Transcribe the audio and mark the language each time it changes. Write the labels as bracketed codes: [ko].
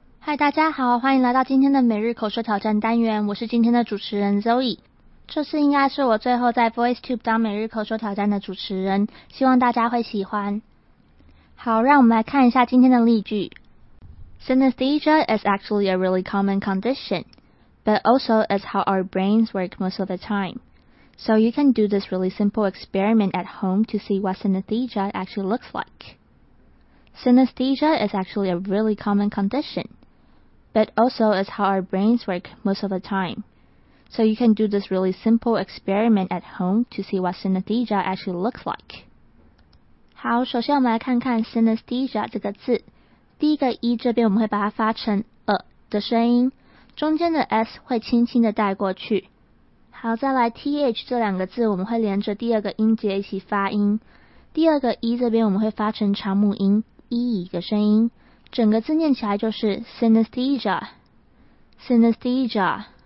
[zh] 嗨，大家好，欢迎来到今天的每日口说挑战单元，我是今天的主持人 Zoe。这次应该是我最后在 VoiceTube 当每日口说挑战的主持人，希望大家会喜欢。好，让我们来看一下今天的例句。 [en] Synesthesia is actually a really common condition, but also is how our brains work most of the time. So you can do this really simple experiment at home to see what synesthesia actually looks like. Synesthesia is actually a really common condition, but also is how our brains work most of the time. So you can do this really simple experiment at home to see what synesthesia actually looks like. [zh] 好，首先我们来看看 synesthesia 这个字。第一个 e 这边我们会把它发成 a 的声音，中间的 s 会轻轻的带过去。好，再来 th 这两个字我们会连着第二个音节一起发音。第二个 e 这边我们会发成长母音 e 的声音，整个字念起来就是 synesthesia, synesthesia.